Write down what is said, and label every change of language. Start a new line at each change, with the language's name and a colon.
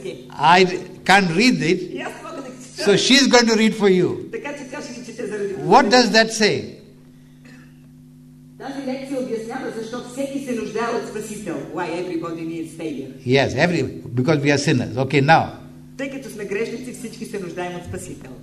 English: I can't read it. So she's going to read for you. What does that say?
Bulgarian: Тази лекция обяснява защо всеки се нуждае от спасител.
English: Why everybody needs failure? Yes, because we are sinners. Okay, now.
Bulgarian: Тъй като сме грешници, всички се нуждаем от спасител.